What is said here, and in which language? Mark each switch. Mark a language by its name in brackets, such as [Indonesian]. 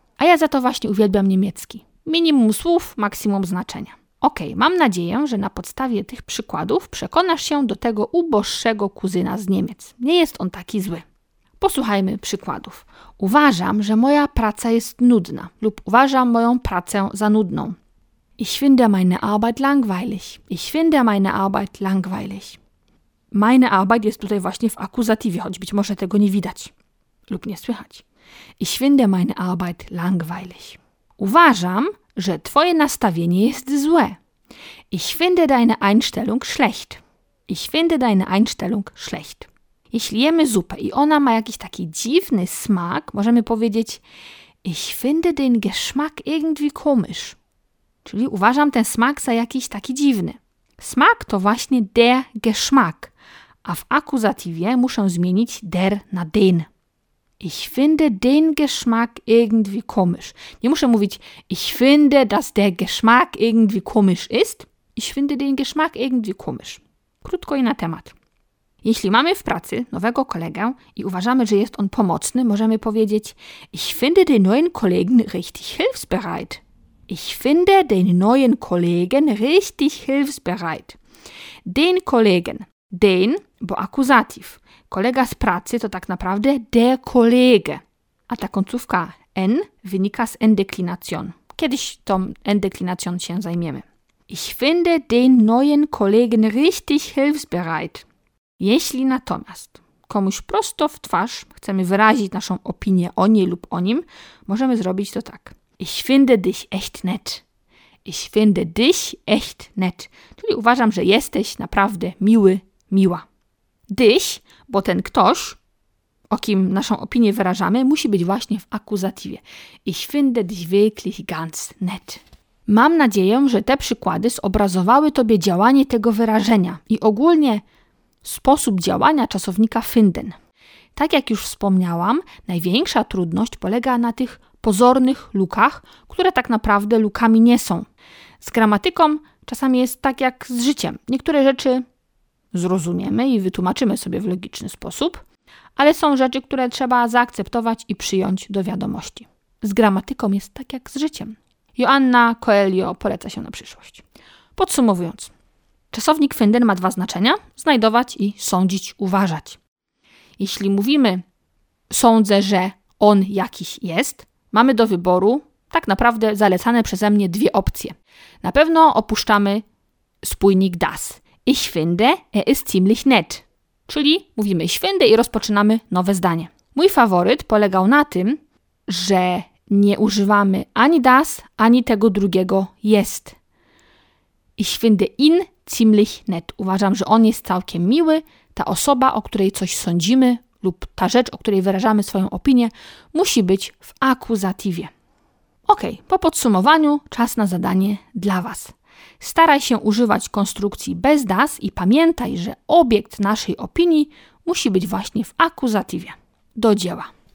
[Polish] A ja za to właśnie uwielbiam niemiecki. Minimum słów, maksimum znaczenia. Okej, mam nadzieję, że na podstawie tych przykładów przekonasz się do tego uboższego kuzyna z Niemiec. Nie jest on taki zły. Posłuchajmy przykładów. Uważam, że moja praca jest nudna lub uważam moją pracę za nudną. [German] Ich finde meine Arbeit langweilig. Ich finde meine Arbeit langweilig. Meine Arbeit [Polish] jest tutaj właśnie w akuzatywie, choć być może tego nie widać lub nie słychać. [German] Ich finde meine Arbeit langweilig. [Polish] Uważam, że twoje nastawienie jest złe. [German] Ich finde deine Einstellung schlecht. Ich finde deine Einstellung schlecht. [Polish] Jeśli jemy zupę i ona ma jakiś taki dziwny smak, możemy powiedzieć [German] Ich finde den Geschmack irgendwie komisch. [Polish] Czyli uważam ten smak za jakiś taki dziwny. Smak to właśnie [German] der Geschmack, [Polish] a w akuzatywie muszę zmienić der na den. [German] Ich finde den Geschmack irgendwie komisch. [Polish] Nie muszę mówić [German] Ich finde, dass der Geschmack irgendwie komisch ist. Ich finde den Geschmack irgendwie komisch. [Polish] Krótko i na temat. Jeśli mamy w pracy nowego kolegę i uważamy, że jest on pomocny, możemy powiedzieć [German] Ich finde den neuen Kollegen richtig hilfsbereit. Ich finde den neuen Kollegen richtig hilfsbereit. Den Kollegen. Den, [Polish] bo [German] akuzativ. [Polish] Kolega z pracy to tak naprawdę [German] der Kollege. [Polish] A ta końcówka N wynika z endeklination. Kiedyś tą endeklination się zajmiemy. [German] Ich finde den neuen Kollegen richtig hilfsbereit. [Polish] Jeśli natomiast komuś prosto w twarz chcemy wyrazić naszą opinię o niej lub o nim, możemy zrobić to tak. [German] Ich finde dich echt nett. Ich finde dich echt nett. [Polish] Czyli uważam, że jesteś naprawdę miły, miła. Dich, bo ten ktoś, o kim naszą opinię wyrażamy, musi być właśnie w akuzatywie. [German] Ich finde dich wirklich ganz nett. [Polish] Mam nadzieję, że te przykłady zobrazowały Tobie działanie tego wyrażenia i ogólnie sposób działania czasownika finden. Tak jak już wspomniałam, największa trudność polega na tych pozornych lukach, które tak naprawdę lukami nie są. Z gramatyką czasami jest tak jak z życiem. Niektóre rzeczy zrozumiemy i wytłumaczymy sobie w logiczny sposób, ale są rzeczy, które trzeba zaakceptować i przyjąć do wiadomości. Z gramatyką jest tak jak z życiem. Joanna Coelho poleca się na przyszłość. Podsumowując, czasownik finden ma dwa znaczenia: znajdować i sądzić, uważać. Jeśli mówimy sądzę, że on jakiś jest, mamy do wyboru tak naprawdę zalecane przeze mnie dwie opcje. Na pewno opuszczamy spójnik das. [German] Ich finde, er ist ziemlich nett. [Polish] Czyli mówimy [German] ich finde [Polish] i rozpoczynamy nowe zdanie. Mój faworyt polegał na tym, że nie używamy ani das, ani tego drugiego jest. [German] Ich finde ihn ziemlich nett. [Polish] Uważam, że on jest całkiem miły. Ta osoba, o której coś sądzimy lub ta rzecz, o której wyrażamy swoją opinię, musi być w akuzatywie. Ok, po podsumowaniu czas na zadanie dla Was. Staraj się używać konstrukcji bez das i pamiętaj, że obiekt naszej opinii musi być właśnie w akuzatywie. Do dzieła.